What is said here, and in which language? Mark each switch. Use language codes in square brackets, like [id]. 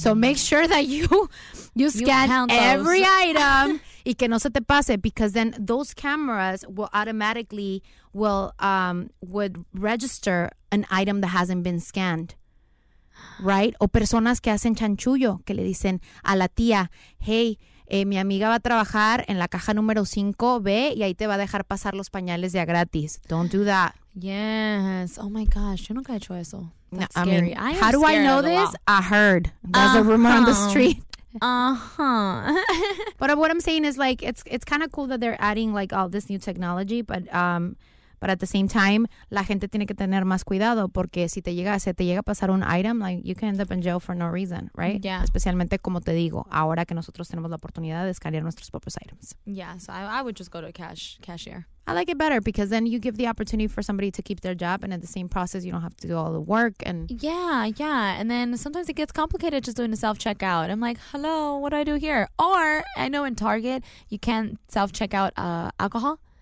[en] So make sure that you scan every item [es] y que no se te pase, [en] because then those cameras will automatically would register an item that hasn't been scanned, right? [es] O personas que hacen chanchullo, que le dicen a la tía, hey, mi amiga va a trabajar en la caja número 5B y ahí te va a dejar pasar los pañales de a gratis. [en] Don't do that. Yes. Oh, my gosh. [es] Yo nunca he hecho eso. [en] That's no, scary. I mean, how do I know this? I heard. There's a rumor on the street. Uh-huh. But what I'm saying is, like, it's kind of cool that they're adding, like, all this new technology, but at the same time, [es] la gente tiene que tener más cuidado porque si te llega a pasar un item, [en] like, you can end up in jail for no reason, right? Yeah. [es] Especialmente, como te digo, ahora que nosotros tenemos la oportunidad de escanear nuestros propios items. [en] Yeah, so I would just go to a cashier. I like it better because then you give the opportunity for somebody to keep their job, and at the same process, you don't have to do all the work. And Yeah. And then sometimes it gets complicated just doing a self-checkout. I'm like, hello, what do I do here? Or I know in Target, you can't self-checkout alcohol.